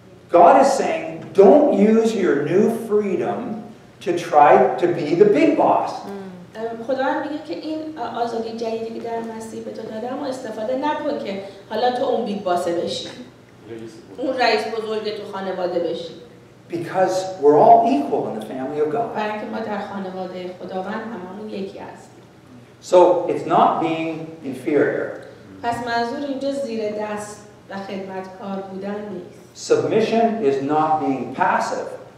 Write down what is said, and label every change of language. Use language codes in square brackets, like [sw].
[en] God is saying, don't use your new freedom to try to be the big boss. [fa] خداوند میگه که این آزادی جدیدی که در مسیح به تو داده اما استفاده نکن که حالا تو اون [en] big باسه [fa] بشی. اون رئیس بزرگ تو خانواده بشی. [en] Because we're all equal in the family of God. [fa] برای که ما در خانواده خداوند هممون یکی هستیم. [en] So it's not being inferior. [fa] پس منظور اینجا زیر دست و خدمتکار بودن نیست. [en] Submission is not being passive.